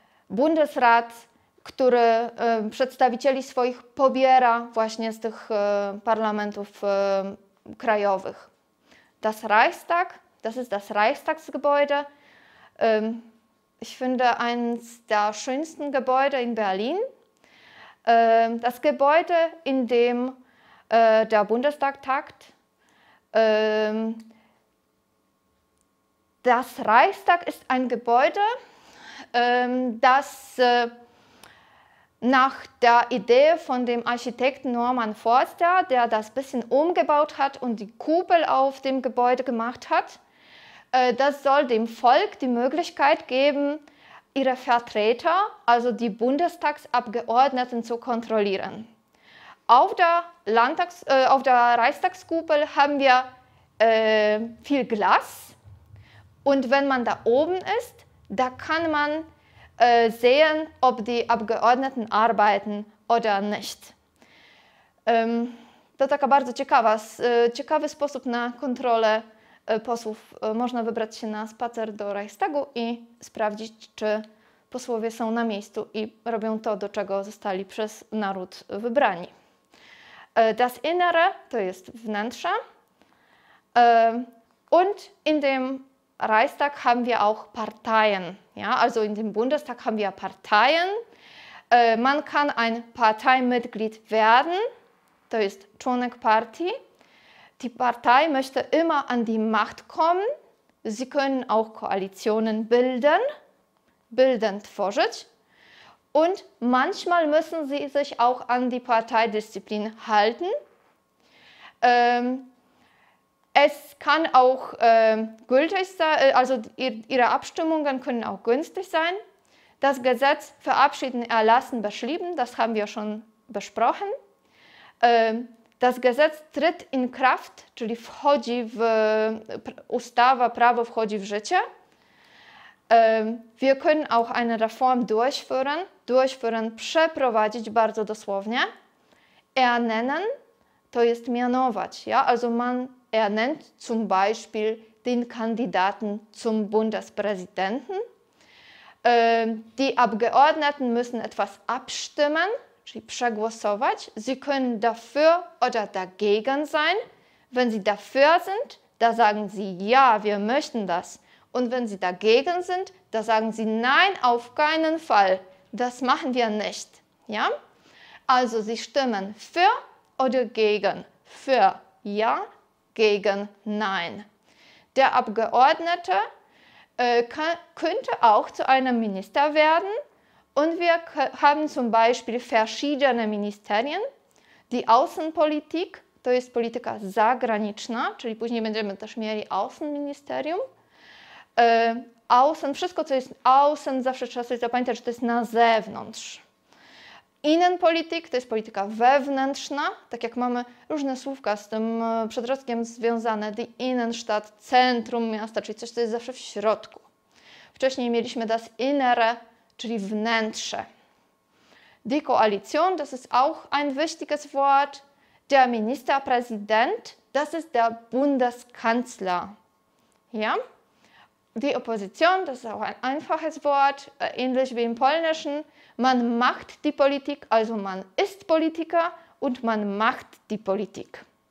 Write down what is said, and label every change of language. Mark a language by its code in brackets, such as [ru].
[pl] Bundesrat, który przedstawicieli swoich pobiera właśnie z tych parlamentów krajowych. [de] Das Reichstag, das ist das Reichstagsgebäude. Ich finde eines der schönsten Gebäude in Berlin. Das Gebäude, in dem der Bundestag tagt. Das Reichstag ist ein Gebäude, das nach der Idee von dem Architekten Norman Foerster, der das bisschen umgebaut hat und die Kuppel auf dem Gebäude gemacht hat, das soll dem Volk die Möglichkeit geben, ihre Vertreter, also die Bundestagsabgeordneten, zu kontrollieren. Auf der Reichstagskuppel haben wir viel Glas. Und wenn man da oben ist, da kann man sehen, ob die Abgeordneten arbeiten oder nicht. [pl] To taka bardzo ciekawa, ciekawy sposób na kontrolę posłów. Można wybrać się na spacer do Reichstagu i sprawdzić, czy posłowie są na miejscu i robią to, do czego zostali przez naród wybrani. Das Innere, to jest wnętrze. [de] Und in dem Reichstag haben wir auch Parteien. Ja, also in dem Bundestag haben wir Parteien. Man kann ein Parteimitglied werden. To jest członek partii. Die Partei möchte immer an die Macht kommen. Sie können auch Koalitionen bilden. Bilden, tworzyć. Und manchmal müssen sie sich auch an die Parteidisziplin halten. Es kann auch gültig sein, also ihre Abstimmungen können auch günstig sein. Das Gesetz verabschieden, erlassen, beschließen, das haben wir schon besprochen. Das Gesetz tritt in Kraft, [pl] czyli wchodzi w ustawa, prawo wchodzi w życie. [de] Wir können auch eine Reform durchführen, [pl] przeprowadzić bardzo dosłownie. Ernennen, to jest mianować, ja? [de] Also man ernennt zum Beispiel den Kandidaten zum Bundespräsidenten. Die Abgeordneten müssen etwas abstimmen, [pl] czyli przegłosować. [de] Sie können dafür oder dagegen sein. Wenn sie dafür sind, da sagen sie, ja, wir möchten das. Und wenn sie dagegen sind, da sagen sie, nein, auf keinen Fall, das machen wir nicht. Ja? Also sie stimmen für oder gegen. Für, ja. Gegen Nein. Der Abgeordnete könnte auch zu einem Minister werden. Und wir haben zum Beispiel verschiedene Ministerien. [pl] Die Außenpolitik, to jest polityka zagraniczna, czyli później będziemy też mieli Außenministerium. Außen, wszystko co jest außen, zawsze trzeba sobie zapamiętać, że to jest na zewnątrz. Innenpolitik, to jest polityka wewnętrzna, tak jak mamy różne słówka z tym przedrostkiem związane, die Innenstadt, centrum miasta, czyli coś, co jest zawsze w środku. Wcześniej mieliśmy das Innere, czyli wnętrze. [de] Die Koalition, das ist auch ein wichtiges Wort. Der Ministerpräsident, das ist der Bundeskanzler. Ja? Die Opposition, das ist auch ein einfaches Wort, ähnlich wie im Polnischen. Man macht die Politik, also man ist Politiker und man macht die Politik.